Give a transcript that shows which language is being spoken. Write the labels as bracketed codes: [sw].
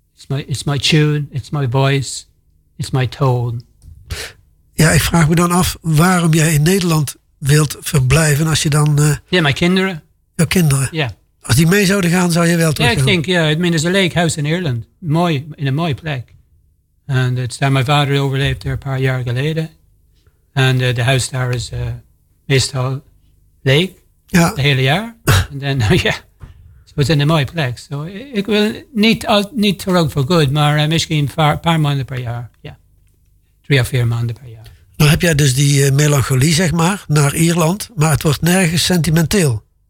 [en] It's my tune, it's my voice, it's my tone. [nl] Ja, ik vraag me dan af waarom jij in Nederland wilt verblijven als je dan... Mijn kinderen. Jouw kinderen? Ja. Yeah. Als die mee zouden gaan, zou je wel terug gaan. Ja, [en] there's a lake house in Ireland. [nl] Mooi, in een mooie plek. [en] And it's there my father [nl] overleefd [en] there a [nl] paar jaar geleden. [en] And the house there is a Mistal Lake. [nl] Ja. Het hele jaar. [en] And then, yeah. So it's [nl] in een mooie plek. [en] So [nl] ik wil niet terug voor goed, maar misschien een paar maanden per jaar. Ja. [en] Yeah. [nl] 3 of 4 maanden per jaar. Dan heb jij dus die melancholie, zeg maar, naar Ierland. Maar het wordt nergens sentimenteel.